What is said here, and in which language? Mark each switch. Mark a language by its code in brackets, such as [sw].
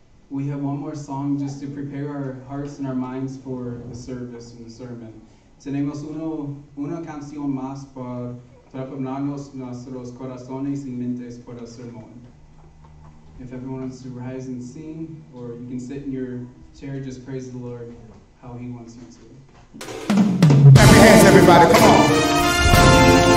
[en] We have one more song just to prepare our hearts and our minds for the service and the sermon. [es] Tenemos una canción más para prepararnos nuestros corazones y mentes para el sermón. [en] If everyone wants to rise and sing, or you can sit in your chair, just praise the Lord how he wants you to. Clap your hands, everybody, come on.